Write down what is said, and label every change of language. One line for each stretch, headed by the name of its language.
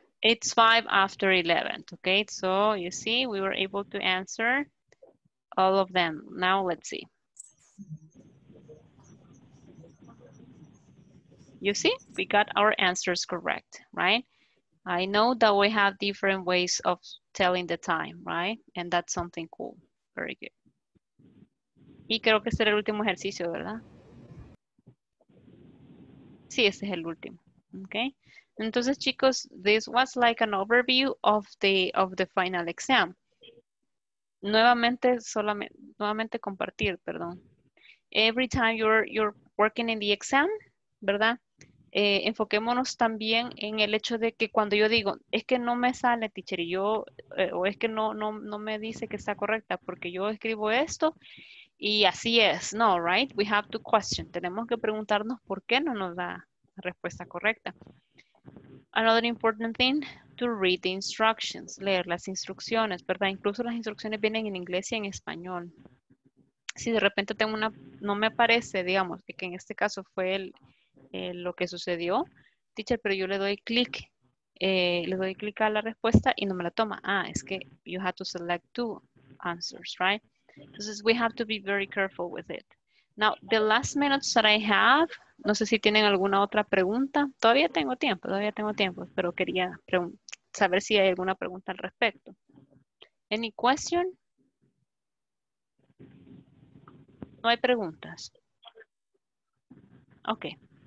English: It's 5:55, okay? So you see, we were able to answer all of them. Now let's see. You see, we got our answers correct, right? I know that we have different ways of telling the time, right? And that's something cool. Very good.
Spanish: Y creo que este es el último ejercicio, ¿verdad? Sí, este es el último. Okay.
English: Entonces, chicos, this was like an overview of the final exam.
Spanish: Nuevamente compartir, perdón.
English: Every time you're working in the exam, ¿verdad?
Spanish: Enfoquémonos también en el hecho de que cuando yo digo, es que no me sale, teacher, y yo, o es que no me dice que está correcta, porque yo escribo esto, y así es, no, right?
English: We have to question.
Spanish: Tenemos que preguntarnos por qué no nos da la respuesta correcta.
English: Another important thing, to read the instructions,
Spanish: leer las instrucciones, ¿verdad? Incluso las instrucciones vienen en inglés y en español. Si de repente tengo una, no me aparece, digamos, que en este caso fue el... lo que sucedió, teacher, pero yo le doy clic a la respuesta y no me la toma. Ah, es que
English: you have to select two answers, right? Entonces, we have to be very careful with it. Now, the last minutes that I have,
Spanish: no sé si tienen alguna otra pregunta. Todavía tengo tiempo, pero quería saber si hay alguna pregunta al respecto.
English: Any question?
Spanish: No hay preguntas. Okay.